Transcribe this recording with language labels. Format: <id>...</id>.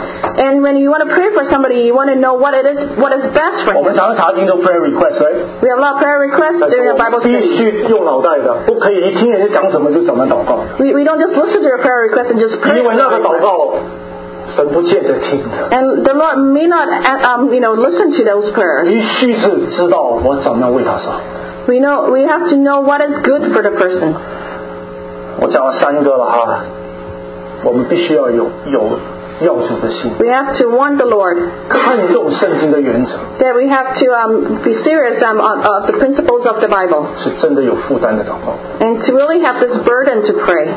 <en>And when you want to pray for somebody, you want to know what is best for them. Right? We have a lot of prayer requests during the Bible study.</en> <zh>必须用脑袋的，不可以一听人家讲什么就怎么祷告。</zh> <en>We don't just listen to your prayer request and just pray.</en> <zh>因为那个祷告，神不见得听的。</zh> <en>And the Lord may not, listen to those prayers.</en> <zh>必须是知道我怎么为他说。</zh> <en>We have to know what is good for the person.</en> <zh>我讲了三个了哈。我们必须要有要主的心。</zh> <en>We have to want the Lord.</en> <zh>看重圣经的原则。</zh> <en>That we have to be serious of the principles of the Bible.</en> <zh>是真的有负担的祷告。</zh> <en>And to really have this burden to pray.</en>